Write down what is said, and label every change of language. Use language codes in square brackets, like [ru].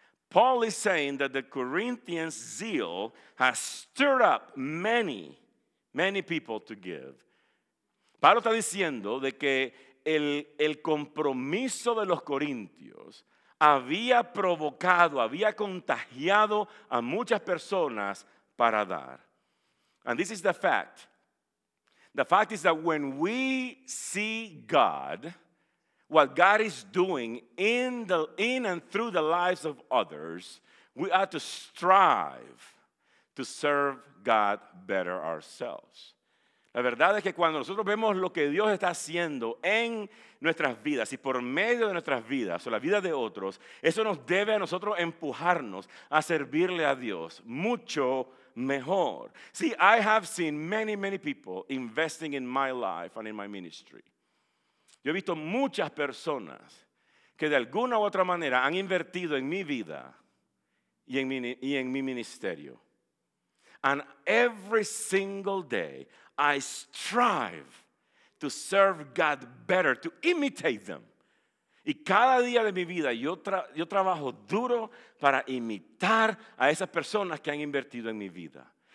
[en] Paul is saying that the Corinthians' zeal has stirred up many, many people to give. [es] Pablo está diciendo de que el compromiso de los corintios había provocado, había contagiado a muchas personas para dar. [en] And this is the fact. The fact is that when we see God, what God is doing in and through the lives of others, we ought to strive to serve God better ourselves. [es] La verdad es que cuando nosotros vemos lo que Dios está haciendo en nuestras vidas y por medio de nuestras vidas o la vida de otros, eso nos debe a nosotros empujarnos a servirle a Dios mucho mejor. [en] See, I have seen many, many people investing in my life and in my ministry. [es] Yo he visto muchas personas que de alguna u otra manera han invertido en mi vida y en mi ministerio. [en] And every single day, I strive to serve God better, to imitate them. [es] Y cada día de mi vida yo trabajo duro para imitar a esas personas que han invertido en mi vida.